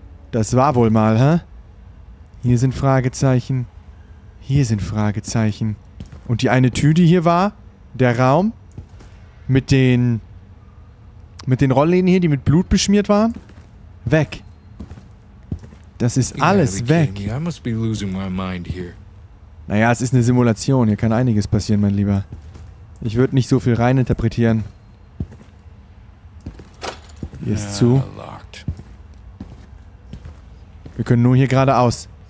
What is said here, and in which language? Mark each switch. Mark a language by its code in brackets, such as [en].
[de] Das war wohl mal, hä? Hier sind Fragezeichen. Hier sind Fragezeichen. Und die eine Tür, die hier war, der Raum, mit den Rollläden hier, die mit Blut beschmiert waren, weg. Das ist alles weg. [en] I must be losing my mind here. [de] Naja, es ist eine Simulation. Hier kann einiges passieren, mein Lieber. Ich würde nicht so viel reininterpretieren. Hier ist zu. Wir können nur hier geradeaus.